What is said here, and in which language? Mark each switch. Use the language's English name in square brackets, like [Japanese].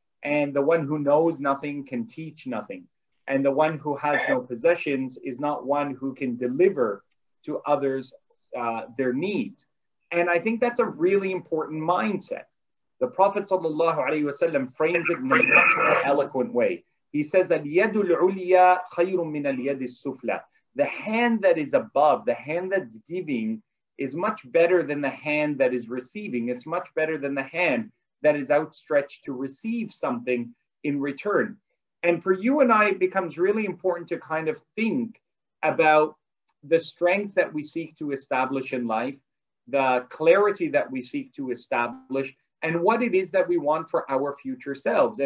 [English] And the one who knows nothing can teach nothing. And the one who has no possessions is not one who can deliver to others their needs. And I think that's a really important mindset. The Prophet ﷺ frames it in a much more eloquent way. He says, [Arabic] الْيَدُ الْعُلْيَا خَيْرٌ مِنَ الْيَدِ السُّفْلَى. [English] The hand that is above, the hand that's giving, is much better than the hand that is receiving. It's much better than the hand that is outstretched to receive something in return. And for you and I, it becomes really important to kind of think about the strength that we seek to establish in life, the clarity that we seek to establish, and what it is that we want for our future selves.